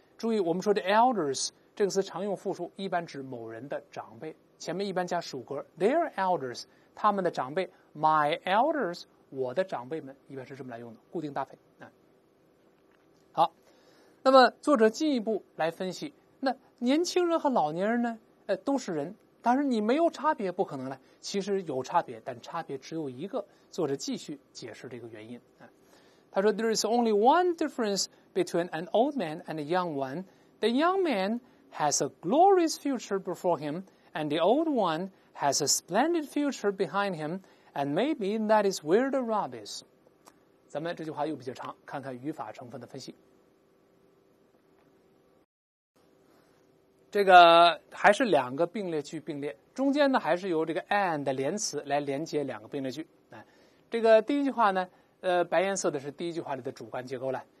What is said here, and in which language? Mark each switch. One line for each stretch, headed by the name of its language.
Chinese: 注意，我们说的 elders 这个词常用复数，一般指某人的长辈，前面一般加属格 ，
English: their elders，
Chinese: 他们的长辈 ，
English: my elders，
Chinese: 我的长辈们，一般是这么来用的，固定搭配啊。好，那么作者进一步来分析，那年轻人和老年人呢，都是人。但是你没有差别不可能了，其实有差别，但差别只有一个。作者继续解释这个原因。他说
English: There is only one difference between an old man and a young one. The young man has a glorious future before him, and the old one has a splendid future behind him, and maybe that is where the rub is.
Chinese: 咱们这句话又比较长，看看语法成分的分析。这个还是两个并列句并列，中间呢还是由这个 and 的连词来连接两个并列句。这个第一句话呢，白颜色的是第一句话里的主观结构了。